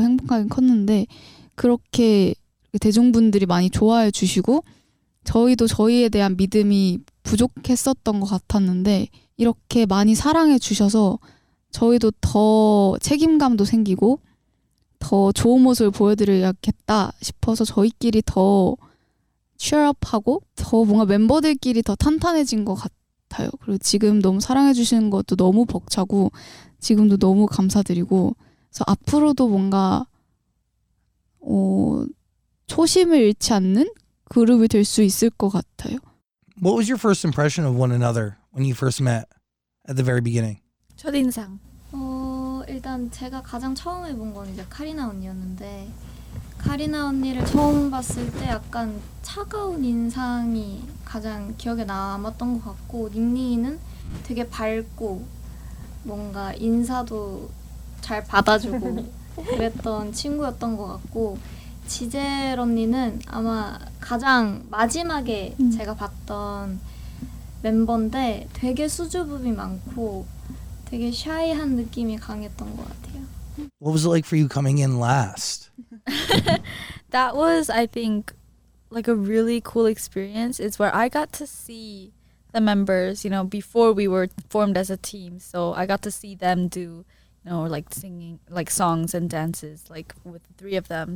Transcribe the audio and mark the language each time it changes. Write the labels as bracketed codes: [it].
[ko] 행복한 게 컸는데 그렇게 대중분들이 많이 좋아해 주시고 저희도 저희에 대한 믿음이 부족했었던 것 같았는데 이렇게 많이 사랑해 주셔서 저희도 더 책임감도 생기고 더 좋은 모습을 보여드려야겠다 싶어서 저희끼리 더 취업하고 더 뭔가 멤버들끼리 더 탄탄해진 것 같아요. 그리고 지금 너무 사랑해 주시는 것도 너무 벅차고 지금도 너무 감사드리고 그래서 앞으로도 뭔가 초심을 잃지 않는 그룹이 될 수 있을 것 같아요. [en] What was your first impression of one another when you first met at the very beginning? [ko] 첫인상. 일단 제가 가장 처음에 본 건 이제 카리나 언니였는데 카리나 언니를 처음 봤을 때 약간 차가운 인상이 가장 기억에 남았던 것 같고 닉네임은 되게 밝고 뭔가 인사도 잘 받아주고 그랬던 친구였던 것 같고 지젤 언니는 아마 가장 마지막에 제가 봤던 멤버인데 되게 수줍음이 많고 되게 샤이한 느낌이 강했던 것 같아요. [en] What was it like for you coming in last? That was, I think, like a really cool experience. It's where I got to see the members, you know, before we were formed as a team. So I got to see them do, know, or like singing like songs and dances like with the three of them.